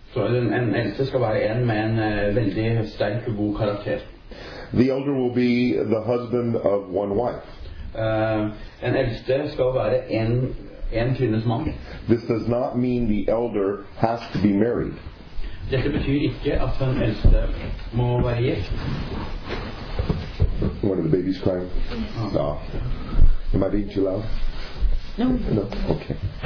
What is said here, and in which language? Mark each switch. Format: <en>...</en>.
<en>The elder will be the husband of one wife.</en> <no>En eldste skal være en kvinnes mann.</no> <en>This does not mean the elder has to be married.</en> <no>Dette betyr ikke at en eldste må være gift.</no> <en>One of the babies crying. Am I being too loud? No. Okay.</en>